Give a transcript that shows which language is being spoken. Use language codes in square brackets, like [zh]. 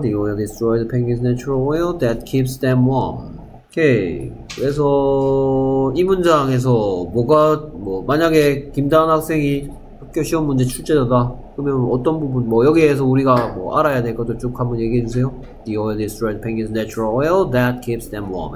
[en] The oil destroys the penguins' natural oil that keeps them warm. [ko] 오케이. 그래서 이 문장에서 뭐가 뭐 만약에 김다은 학생이 학교 시험 문제 출제자다 그러면 어떤 부분 뭐 여기에서 우리가 뭐 알아야 될 것도 쭉 한번 얘기해 주세요. [en] The oil destroys penguins natural oil that keeps them warm.